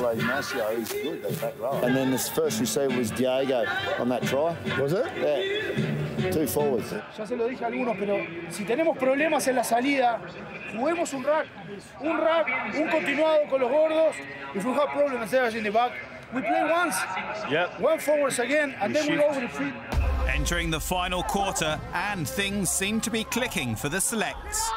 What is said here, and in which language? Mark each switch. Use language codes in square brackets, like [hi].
[en] And then this first receiver was Diego on that try. Was it? Yeah. Two forwards. [es] Ya se lo dije a algunos, pero si tenemos problemas en la salida, juguemos un rack. Un rack, un continuado con los gordos. [en] If we have problems there in the back, we play once. Yep. One forwards again, and then we go over the field. Entering the final quarter, and things seem to be clicking for the selects.